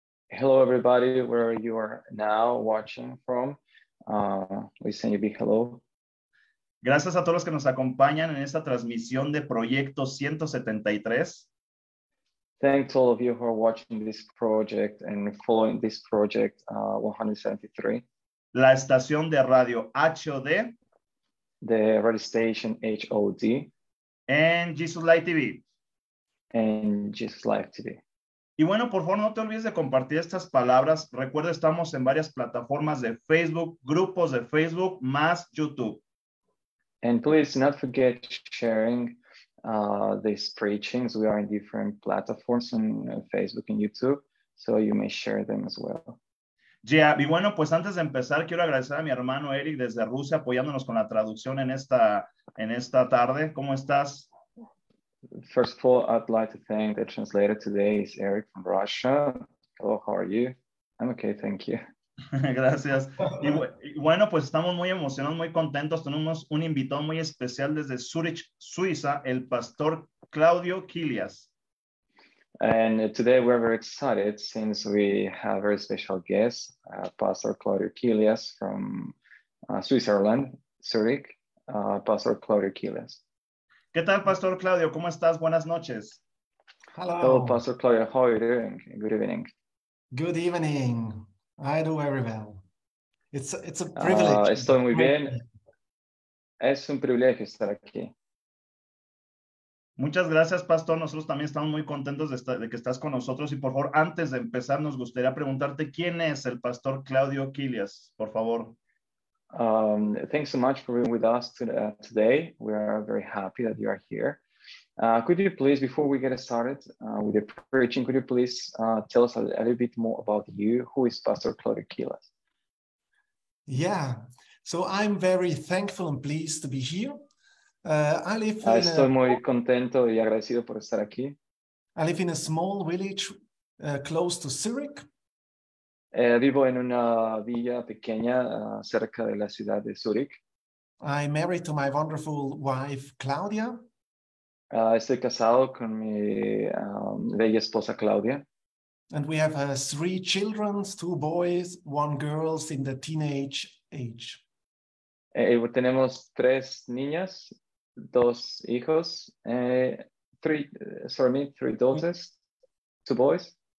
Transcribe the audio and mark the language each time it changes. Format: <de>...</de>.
<en>Hello, everybody, where you are now watching from. We send you a big hello.</en> <es>Gracias a todos los que nos acompañan en esta transmisión de Proyecto 173.</es> <en>Thanks to all of you who are watching this project and following this project 173.</en> <es>La estación de radio HOD.</es> <en>The radio station HOD. And Jesus Live TV. And Jesus Live TV.</en> <es>Y bueno, por favor, no te olvides de compartir estas palabras. Recuerda, estamos en varias plataformas de Facebook, grupos de Facebook, más YouTube.</es> <en>And please not forget sharing these preachings. We are in different platforms on Facebook and YouTube, so you may share them as well.</en> <es>Yeah, y bueno, pues antes de empezar, quiero agradecer a mi hermano Eric desde Rusia apoyándonos con la traducción en esta tarde. ¿Cómo estás?</es> <en>First of all, I'd like to thank the translator today. It's Eric from Russia. Hello, how are you? I'm okay, thank you.</en> <es>Gracias. Y bueno, pues estamos muy emocionados, muy contentos. Tenemos un invitado muy especial desde Zurich, Suiza, el pastor Claudio Killias.</es> <en>And today we're very excited since we have a very special guest, Pastor Claudio Killias from Switzerland, Zurich. Pastor Claudio Killias.</en> <es>¿Qué tal, Pastor Claudio? ¿Cómo estás? Buenas noches.</es> <en>Hello. Hello, Pastor Claudio. How are you doing? Good evening. Good evening. I do very well. It's a privilege.</en> <es>Estoy muy bien. Es un privilegio estar aquí. Muchas gracias, Pastor. Nosotros también estamos muy contentos de que estás con nosotros. Y por favor, antes de empezar, nos gustaría preguntarte, ¿quién es el Pastor Claudio Killias? Por favor.</es> <en>Thanks so much for being with us today. We are very happy that you are here. Could you please, before we get started with the preaching, could you please tell us a little bit more about you? Who is Pastor Claudio Killias? Yeah, so I'm very thankful and pleased to be here.</en> <es>Estoy muy contento y agradecido por estar aquí.</es> <en>I live in a small village close to Zurich.</en> <es>Vivo en una villa pequeña cerca de la ciudad de Zurich.</es> <en>I'm married to my wonderful wife, Claudia.</en> <es>Estoy casado con mi bella esposa, Claudia.</es> <en>And we have three children, two boys, one girl in the teenage age.</en> <es>Tenemos tres niñas, dos hijos,</es> <en>three daughters, two boys.</en>